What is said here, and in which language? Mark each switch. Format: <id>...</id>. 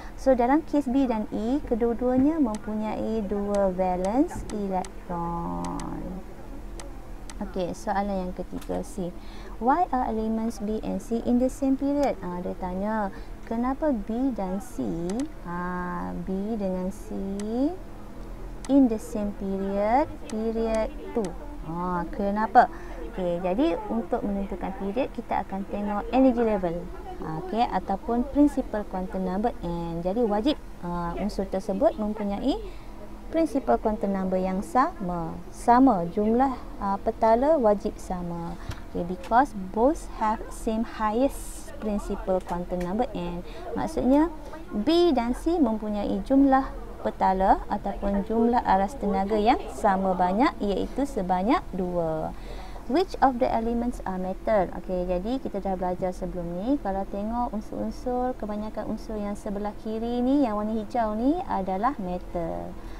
<ms>So dalam case B dan E, kedua-duanya mempunyai 2 valence electron. Okay, soalan yang ketiga, C.</ms> <en>Why are elements B and C in the same period?</en> <ms>Dia tanya, kenapa B dan C, B dengan C</ms> <en>in the same period, period 2.</en> <ms>Kenapa? Okay, jadi untuk menentukan period, kita akan tengok energy level. Okay, ataupun principal quantum number N. Jadi wajib unsur tersebut mempunyai principal quantum number yang sama. Sama, jumlah petala wajib sama.</ms> <en>Okay, because both have same highest principal quantum number N.</en> <ms>Maksudnya B dan C mempunyai jumlah petala ataupun jumlah aras tenaga yang sama banyak, iaitu sebanyak 2.</ms> <en>Which of the elements are metal?</en> <ms>Okey, jadi kita dah belajar sebelum ni, kalau tengok unsur-unsur, kebanyakan unsur yang sebelah kiri ni, yang warna hijau ni adalah metal.</ms>